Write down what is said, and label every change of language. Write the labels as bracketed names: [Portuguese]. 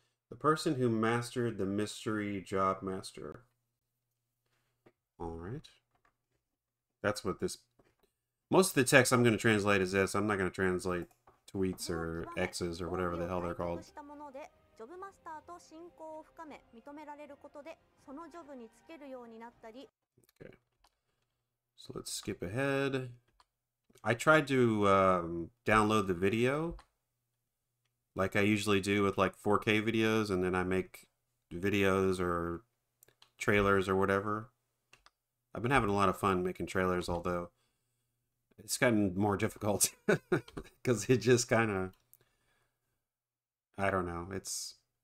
[English] The person who mastered the mystery job master. Alright. That's what this... Most of the text I'm going to translate is this. I'm not going to translate tweets or X's or whatever the hell they're called. [Japanese] ジョブマスターと親交を深め認められることでそのジョブにつけるようになったり。 [English] Okay. So let's skip ahead. I tried to download the video like I usually do with like 4K videos, and then I make videos or trailers or whatever. I've been having a lot of fun making trailers, although it's gotten more difficult because it just kind of, I don't know, it's...